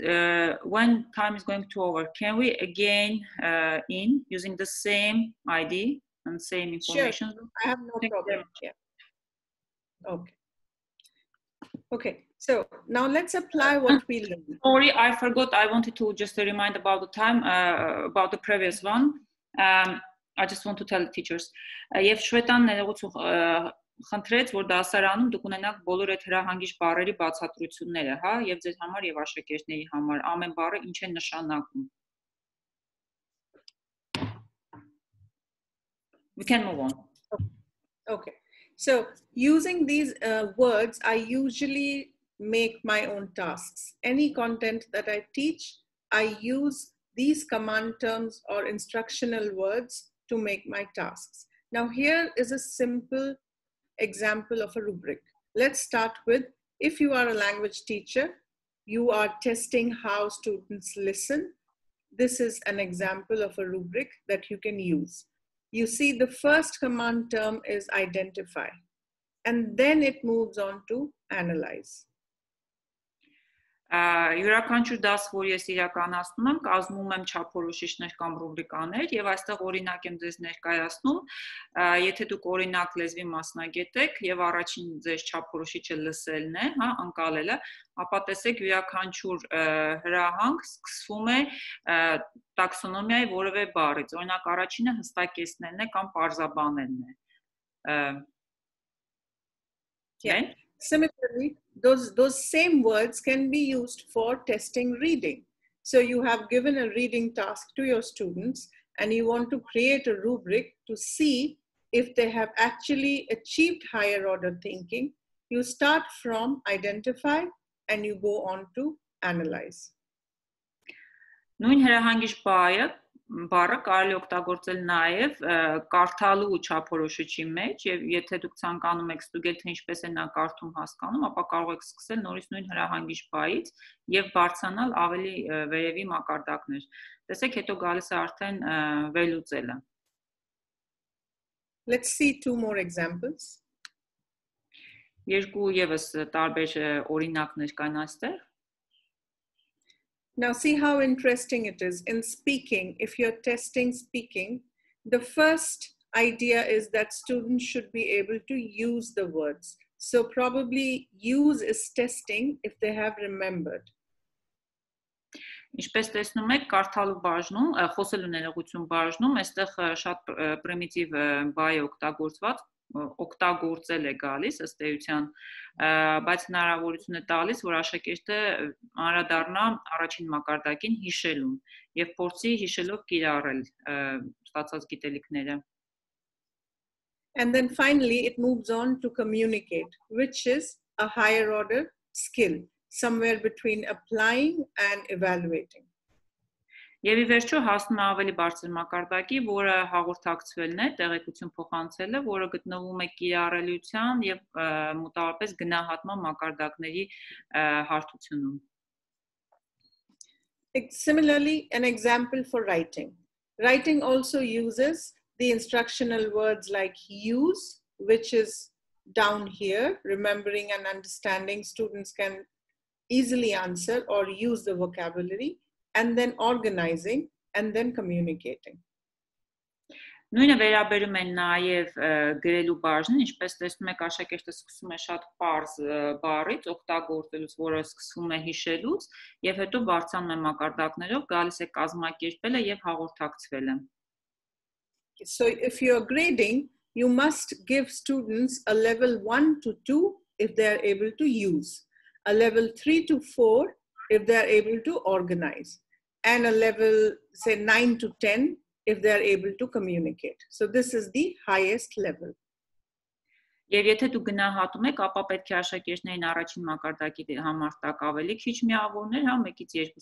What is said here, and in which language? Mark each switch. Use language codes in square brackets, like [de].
[en] When time is going to over, can we again in using the same ID and same information? Sure, I have no problem. Yeah. Okay. So now let's apply what we learned. Sorry, I forgot. I wanted to just remind about the time, about the previous one. I just want to tell the teachers. [hy] Եվ Շվետան ներողություն խնդրեց, որ դասարանում դուք ունենաք բոլոր այդ հրահանգիչ բառերի բացատրությունները, հա, եւ ձեր համար եւ աշակերտների համար ամեն բառը ինչ է նշանակում. [en] We can move on. Okay. So, using these words, I usually make my own tasks. Any content that I teach, I use these command terms or instructional words to make my tasks. Now here is a simple example of a rubric. Let's start with, if you are a language teacher, you are testing how students listen. This is an example of a rubric that you can use. you see the first command term is identify, and then it moves on to analyze. [hy] Յուրաքանչյուր դաս, որ ես իրականացնում եմ, կազմում եմ չափորոշիչներ կամ ռուբրիկաներ, եւ այստեղ օրինակ եմ ձեզ ներկայացնում, եթե դուք օրինակ լեզվի մասնագետ եք եւ առաջին ձեզ չափորոշիչը լսելն է, հա, անկալելը, ապա տեսեք յուրաքանչյուր հրահանգ սկսվում է տաքսոնոմիայի որևէ բառից, օրինակ առաջինը հստակեցնելն է կամ պարզաբանելն է։ [en] Similarly, those same words can be used for testing reading. So you have given a reading task to your students and you want to create a rubric to see if they have actually achieved higher order thinking. You start from identify and you go on to analyze. [hy] Նույն հրահանգիչ բառը բառը կարելի օգտագործել նաև կարդալու չափորոշիչի մեջ, եւ եթե դուք ցանկանում եք ստուգել, թե ինչպես է նա կարդում հասկանում, ապա կարող եք սկսել նորից նույն հրահանգիչ բառից եւ բարձանալ ավելի վերևի մակարդակներ։ Տեսեք, հետո գալիս է արդեն վելուծելը։ [en] Let's see two more examples. [hy] Երկու եւս տարբեր օրինակներ կան այստեղ։ [en] Now see how interesting it is in speaking. If you're testing speaking, the first idea is that students should be able to use the words. So probably use is testing if they have remembered. [hy] Ինչպես տեսնում եք, կարդալու բաժնում, խոսելու ներողություն բաժնում, այստեղ շատ պրիմիտիվ բայը օգտագործված, օգտագործել է գալիս ըստ էության, բայց հնարավորություն է տալիս, որ աշակերտը անդրադառնա առաջին մակարդակին հիշելուն եւ փորձի հիշելով կիրառել ստացած գիտելիքները։ [en] And then finally it moves on to communicate, which is a higher order skill, somewhere between applying and evaluating. [hy] Եվ ի վերջո հասնում է ավելի բարձր մակարդակի, որը հաղորդակցվելն է, տեղեկություն փոխանցելը, որը գտնվում է կիրառելիության եւ մոտավորապես գնահատման մակարդակների հարթությունում։ [en] Similarly, an example for writing. Writing also uses the instructional words like use, which is down here, remembering and understanding, students can easily answer or use the vocabulary. And then organizing and then communicating. [hy] Նույնը վերաբերում է նաև գրելու բաժնին, ինչպես տեսնում եք, աշակերտը սկսում է շատ պարզ բառից օգտագործելուց, որը սկսվում է հիշելուց, եւ հետո բարձանում է մակարդակներով, գալիս է կազմակերպելը եւ հաղորդակցվելը։ [en] So if you are grading, you must give students a level 1 to 2 if they are able to use, a level 3 to 4 if they are able to organize, and a level say 9 to 10 if they are able to communicate. So this is the highest level. [hy] Եվ եթե դու գնահատում ես, ապա պետք է աշակերտներին առաջին մակարդակի համար տակ ավելի քիչ միավորներ, հա, 1-ից